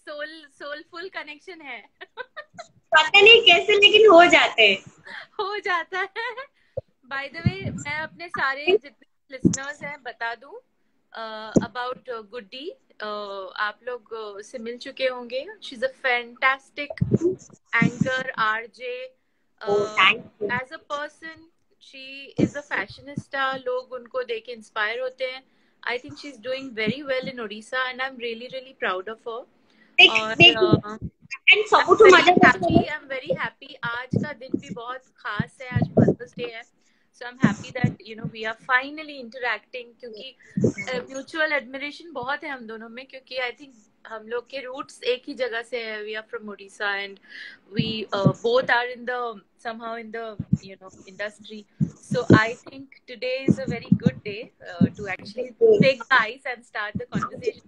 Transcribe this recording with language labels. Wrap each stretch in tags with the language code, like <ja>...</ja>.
<en>Soulful connection है.</en> <hi>पता नहीं कैसे लेकिन हो जाते हैं. हो जाता है.</hi> <en>By the way,</en> <hi>मैं अपने सारे जितने listeners हैं बता दूँ about Goody. आप लोग से मिल चुके होंगे.</hi> <en>She's a fantastic anchor, RJ. As a person she is a fashionista</en> <hi>लोग उनको देख के इंस्पायर होते हैं</hi> <en>I think she is doing very well in Odisha and I am really really proud of her I am very happy</en> <hi>आज का दिन भी बहुत खास है आज मदर्स डे है</hi> <en>so I am happy that you know we are finally interacting</en> <hi>क्योंकि म्यूचुअल एडमिरेशन बहुत है हम दोनों में क्योंकि आई थिंक हम लोग के रूट्स एक ही जगह से है</hi> <en>we are from Odisha and we both are in the somehow in the you know industry so I think today is a very good day to actually take the ice and start the conversation</en>